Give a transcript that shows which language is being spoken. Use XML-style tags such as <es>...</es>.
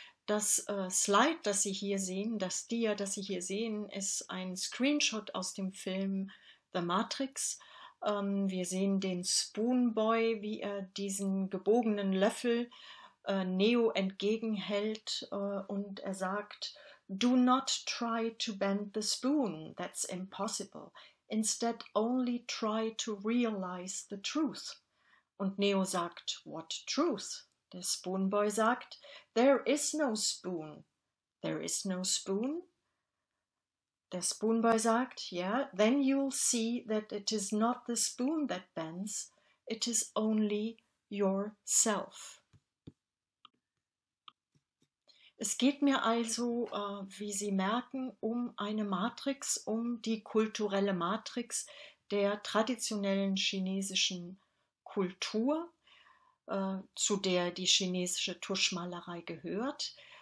<de>Das Slide, das Sie hier sehen, das Dia, das Sie hier sehen, ist ein Screenshot aus dem Film The Matrix. Wir sehen den Spoonboy, wie er diesen gebogenen Löffel Neo entgegenhält und er sagt,</de> <en>"Do not try to bend the spoon, that's impossible. Instead only try to realize the truth."</en> <de>Und Neo sagt,</de> <en>"What truth?"</en> <de>Der Spoonboy sagt,</de> <en>there is no spoon. There is no spoon.</en> <de>Der Spoonboy sagt,</de> <en>yeah, then you'll see that it is not the spoon that bends, it is only yourself.</en> <de>Es geht mir also, wie Sie merken, um eine Matrix, um die kulturelle Matrix der traditionellen chinesischen Kultur, zu der die chinesische Tuschmalerei gehört.</de>